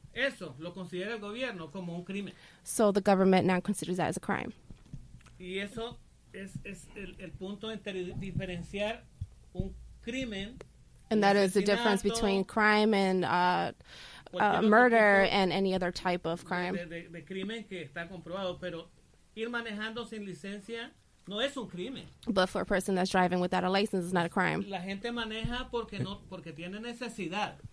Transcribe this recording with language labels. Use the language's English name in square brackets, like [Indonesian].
[Spanish] Eso lo considera el gobierno como un crimen. [English] So the government now considers that as a crime. [Spanish] Y eso es el punto entre diferenciar un crimen. [English] And that is the difference between crime and murder and any other type of crime. [Spanish] De crimen que está comprobado, pero ir manejando sin licencia no es un crimen. [English] But for a person that's driving without a license, it's not a crime. [Spanish] La gente maneja porque no, porque tiene necesidad.